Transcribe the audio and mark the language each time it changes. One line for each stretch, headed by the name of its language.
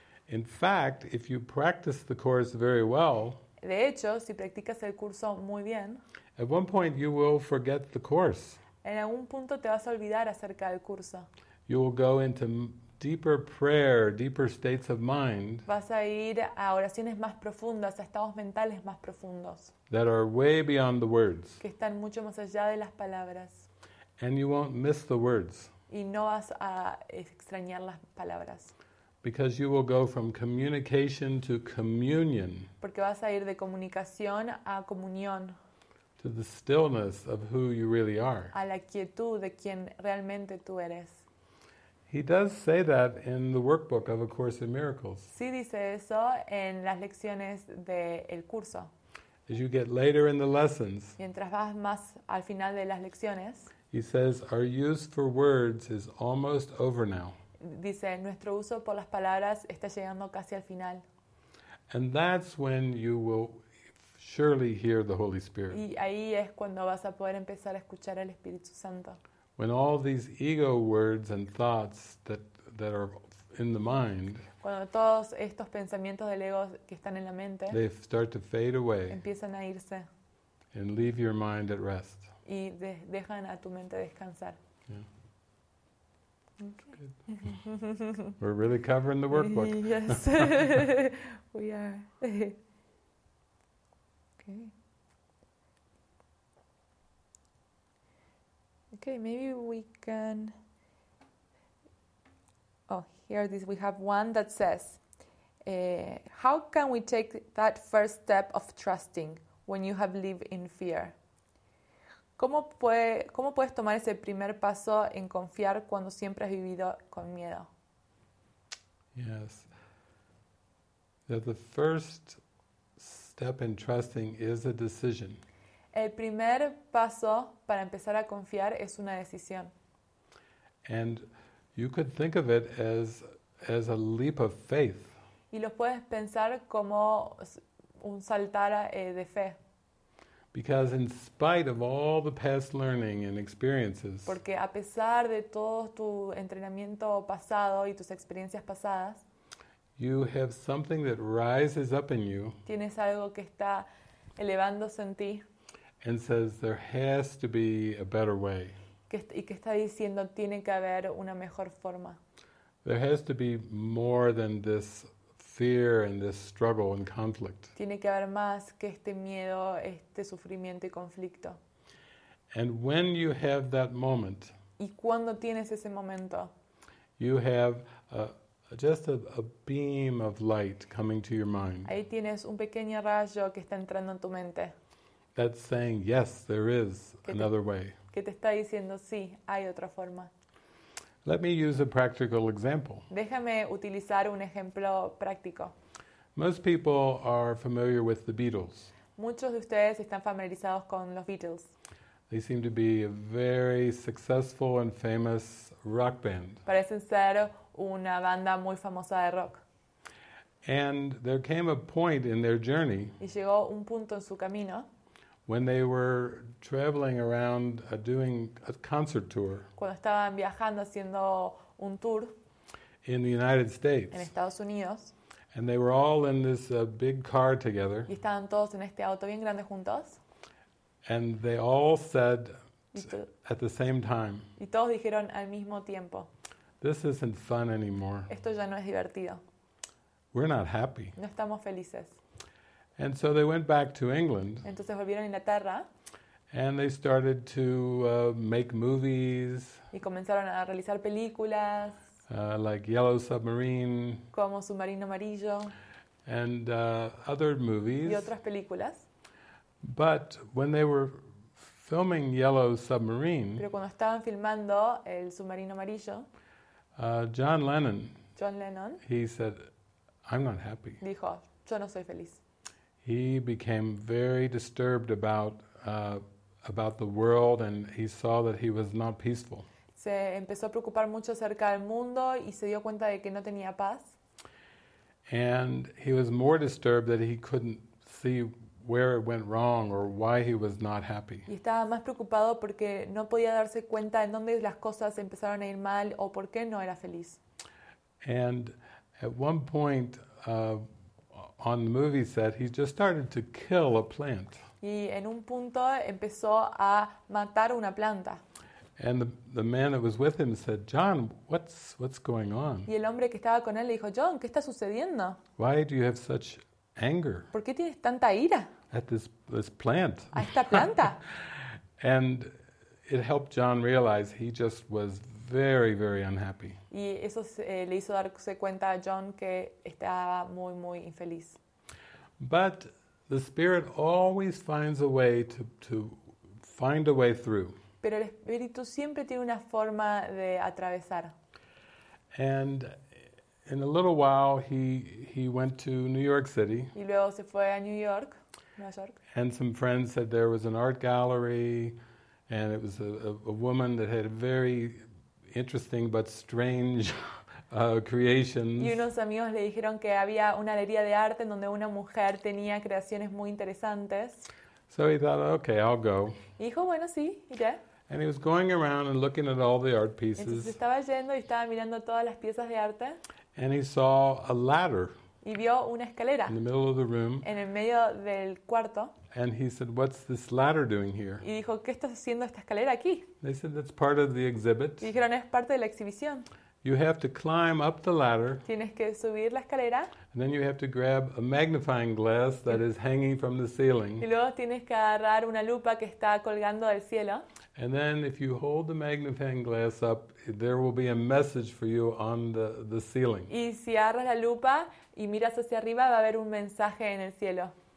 English: In fact, if you practice the course very well,
Spanish: de hecho, si practicas el curso muy bien,
English: at one point you will forget the course.
Spanish: En algún punto te vas a olvidar acerca del curso.
English: You will go into deeper prayer, deeper states of mind.
Spanish: Vas a ir a oraciones más profundas, a estados mentales más profundos.
English: That are way beyond the words.
Spanish: Que están mucho más allá de las palabras.
English: And you won't miss the words.
Spanish: Y no vas a extrañar las palabras.
English: Because you will go from communication to communion.
Spanish: Porque vas a ir de comunicación a comunión.
English: To the stillness of who you really are.
Spanish: A la quietud de quien realmente tú eres.
English: He does say that in the workbook of A Course in Miracles.
Spanish: Sí dice eso en las lecciones del curso.
English: As you get later in the lessons,
Spanish: mientras vas más al final de las lecciones,
English: he says, our use for words is almost over now.
Spanish: Dice, nuestro uso por las palabras está llegando casi al final.
English: And that's when you will surely hear the Holy Spirit.
Spanish: Y ahí es cuando vas a poder empezar a escuchar al Espíritu Santo.
English: When all these ego words and thoughts that are in the mind,
Spanish: cuando todos estos pensamientos del ego que están en la mente,
English: they start to fade away,
Spanish: empiezan a irse,
English: and leave your mind at rest,
Spanish: y dejan a tu mente descansar.
English: Yeah. We're really covering the workbook. Yes, we are. Okay. Okay, maybe we can. Oh, here this we have one that says, "How can we take that first step of trusting when you have lived in fear?"
Spanish: ¿Cómo puedes tomar ese primer paso en confiar cuando siempre has vivido con miedo?
English: Yes. That the first step in trusting is a decision.
Spanish: El primer paso para empezar a confiar es una decisión.
English: And you could think of it as a leap of faith.
Spanish: Y lo puedes pensar como un saltar de fe.
English: Because in spite of all the past learning and experiences,
Spanish: porque a pesar de todo tu entrenamiento pasado y tus experiencias pasadas,
English: you have something that rises up in you.
Spanish: Tienes algo que está elevándose en ti.
English: And says there has to be a better way.
Spanish: Y que está diciendo tiene que haber una mejor forma.
English: There has to be more than this fear and this struggle and conflict.
Spanish: Tiene que haber más que este miedo, este sufrimiento y conflicto.
English: And when you have that moment,
Spanish: y cuando tienes ese momento,
English: you have just a beam of light coming to your mind.
Spanish: Ahí tienes un pequeño rayo que está entrando en tu mente.
English: That's saying, yes, there is another way.
Spanish: Que te está diciendo, sí, hay otra forma.
English: Let me use a practical example.
Spanish: Déjame utilizar un ejemplo práctico.
English: Most people are familiar with the Beatles.
Spanish: Muchos de ustedes están familiarizados con los Beatles.
English: They seem to be a very successful and famous rock band.
Spanish: Parecen ser una banda muy famosa de rock.
English: And there came a point in their journey.
Spanish: Y llegó un punto en su camino.
English: When they were traveling around doing a concert tour.
Spanish: Cuando estaban viajando haciendo un tour.
English: In the United States.
Spanish: En Estados Unidos.
English: And they were all in this big car together.
Spanish: Y estaban todos en este auto bien grande juntos.
English: And they all said, at the same time.
Spanish: Y todos dijeron al mismo tiempo.
English: This isn't fun anymore.
Spanish: Esto ya no es divertido.
English: We're not happy.
Spanish: No estamos felices.
English: And so they went back to England.
Spanish: Entonces volvieron a Inglaterra.
English: And they started to make movies.
Spanish: Y comenzaron a realizar películas.
English: Like Yellow Submarine.
Spanish: Como Submarino Amarillo.
English: And other movies.
Spanish: Y otras películas.
English: But when they were filming Yellow Submarine.
Spanish: Pero cuando estaban filmando el Submarino Amarillo.
English: John Lennon. He said, "I'm not happy."
Spanish: Dijo, "Yo no soy feliz."
English: He became very disturbed about the world, and he saw that he was not peaceful.
Spanish: Se empezó a preocupar mucho acerca del mundo y se dio cuenta de que no tenía paz.
English: And he was more disturbed that he couldn't see where it went wrong or why he was not happy.
Spanish: Y estaba más preocupado porque no podía darse cuenta en dónde las cosas empezaron a ir mal o por qué no era feliz.
English: And at one point on the movie set, he just started to kill a plant.
Spanish: Y en un punto empezó a matar una planta.
English: And the man that was with him said, "John, what's going on?"
Spanish: Y el hombre que estaba con él dijo, "John, ¿qué está sucediendo?"
English: "Why do you have such anger?"
Spanish: ¿Por qué tienes tanta ira?
English: "At this plant."
Spanish: A esta planta.
English: And it helped John realize he just was very, very unhappy.
Spanish: Y eso le hizo darse cuenta a John que estaba muy, muy infeliz.
English: But the Spirit always finds a way to find a way through.
Spanish: Pero el Espíritu siempre tiene una forma de atravesar.
English: And in a little while he went to New York City.
Spanish: Y luego se fue a New York, Nueva York.
English: And some friends said there was an art gallery, and it was a woman that had a very interesting but strange creations.
Spanish: Y unos amigos le dijeron que había una galería de arte en donde una mujer tenía creaciones muy interesantes.
English: So he thought, okay, I'll go.
Spanish: Y dijo, bueno, sí, iré.
English: And he was going around and looking at all the art pieces.
Spanish: Entonces estaba yendo y estaba mirando todas las piezas de arte.
English: And he saw a ladder.
Spanish: Y vio una escalera.
English: In the middle of the room.
Spanish: En el medio del cuarto.
English: And he said, "What's this ladder doing here?"
Spanish: Y dijo, ¿qué estás haciendo esta escalera aquí?
English: They said, "That's part of the exhibit."
Spanish: Y dijeron, es parte de la exhibición.
English: "You have to climb up the ladder."
Spanish: Tienes que subir la escalera.
English: "And then you have to grab a magnifying glass that is hanging from the ceiling."
Spanish: Y luego tienes que agarrar una lupa que está colgando del cielo.
English: "And then if you hold the magnifying glass up, there will be a message for you on the ceiling."
Spanish: Y si agarras la lupa y miras hacia arriba, va a haber un mensaje en el cielo.